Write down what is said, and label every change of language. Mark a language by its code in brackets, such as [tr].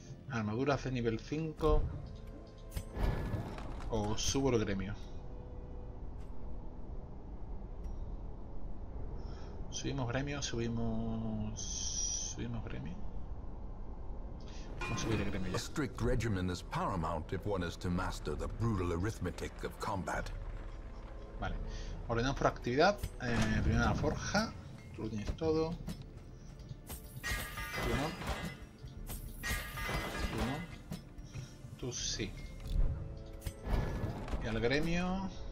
[es] Armadura hace nivel 5. O subo el gremio. Subimos gremio, subimos gremio. Vamos a subir el gremio ya. [en] A strict regimen is paramount if one is to master the brutal arithmetic of combat. [es] Vale. Ordenamos por actividad. Primero la forja. Tú lo tienes todo. Tú no. Tú no. Tú sí. Y al gremio.